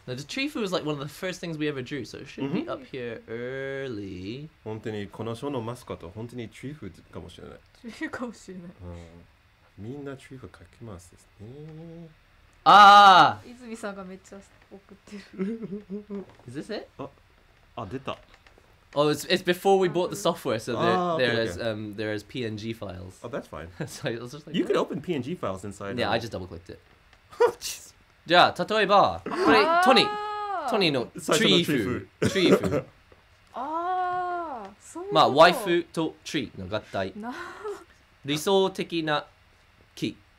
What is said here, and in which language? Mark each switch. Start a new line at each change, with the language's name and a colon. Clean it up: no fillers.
English: The tree foo was like one of the first things we ever drew, so it should be up here early.
Japanese: 本当にこの章のマスコット本当にチーフかもしれない。チーフかもしれない。みんなチーフ描きますね。ああ。泉さんがめっちゃ送ってる。
English: Is this it?
Japanese: あ、出た。
English: Oh, it's before we bought the software, so there is PNG files. Oh, that's fine. So I was just like, you could open PNG files inside. Yeah, I just double clicked it.
Japanese: じゃあ、例えば、これ、トニー。トニーの、トリーフ。トリーフ。ああ、そういうこと。まあ、ワイフとトリーの合体。理想的な木。